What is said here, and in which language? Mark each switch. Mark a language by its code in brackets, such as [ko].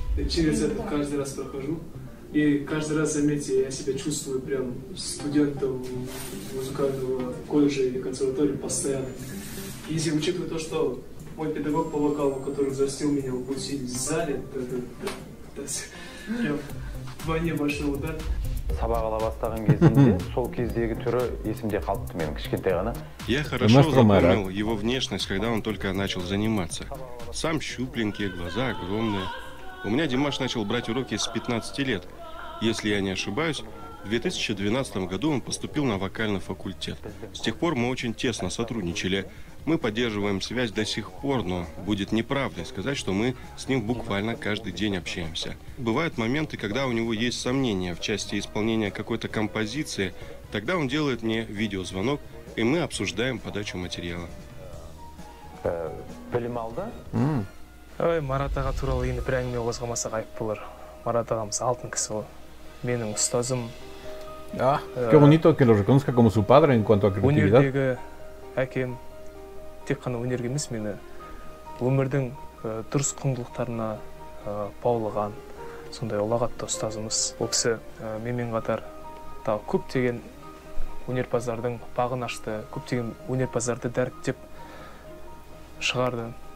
[ru] Через это каждый раз прохожу. И каждый раз, заметьте, я себя чувствую прям студентом музыкального колледжа или консерватории постоянно. Если учитывать то, что мой педагог по вокалу, который взрастил меня в пути в зале, то прям вдвойне большой удар. [kk] Сабақ ала бастаған кезінде сол кездегі түрі есімде қалыпты менің кішкентай ғана. [ru] Я хорошо запомнил его внешность, когда он только начал заниматься. Сам щупленький, глаза огромные. У меня Димаш начал брать уроки с 15 лет. Если я не ошибаюсь, в 2012 году он поступил на вокальный факультет. С тех пор мы очень тесно сотрудничали. Мы поддерживаем связь до сих пор, но будет неправдой сказать, что мы с ним буквально каждый день общаемся. Бывают моменты, когда у него есть сомнения в части исполнения какой-то композиции. Тогда он делает мне видеозвонок, и мы обсуждаем подачу материала. Полималда? [kk] Ой, Марат аға туралы енді бір әңгіме қозғамаса қайып болар. Марат ағамыз алтын кісі ғой. Менің ұстазым. [es] Qué bonito que lo reconozca como su padre en cuanto a creatividad. [kk] Өнердегі әкем, тек қана өнерге емес, мені өмірдің дұрыс құндылықтарына баулыған сондай ұлағатты ұстазымыз. Ол кісі менімен қатар тағы көптеген өнерпаздардың бағын ашты, көптеген өнерпаздарды дәріптеп шығарды.